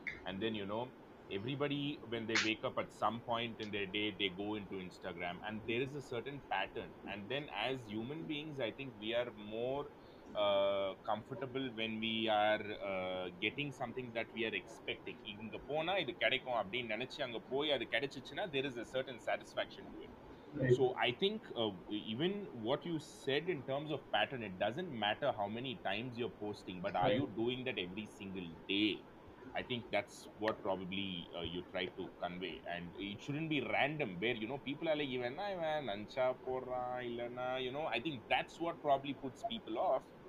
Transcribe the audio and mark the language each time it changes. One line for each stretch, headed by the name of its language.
English: And then, you know, everybody, when they wake up at some point in their day, they go into Instagram. And there is a certain pattern. And then as human beings, I think we are more comfortable when we are getting something that we are expecting.
Tamil: இங்க போனா இது கிடைக்கும் அப்படின்னு நினைச்சு அங்க போய் அது கிடைச்சிச்சுன்னா
English: there is a certain satisfaction to it. So I think even what you said in terms of pattern, it doesn't matter how many times you're posting, but are you doing that every single day? I think that's what probably you try to convey. And it shouldn't be random where, you know, people are like, even I man,
Tamil: ancha porra, ilana,
English: you know, I think that's what probably puts people off.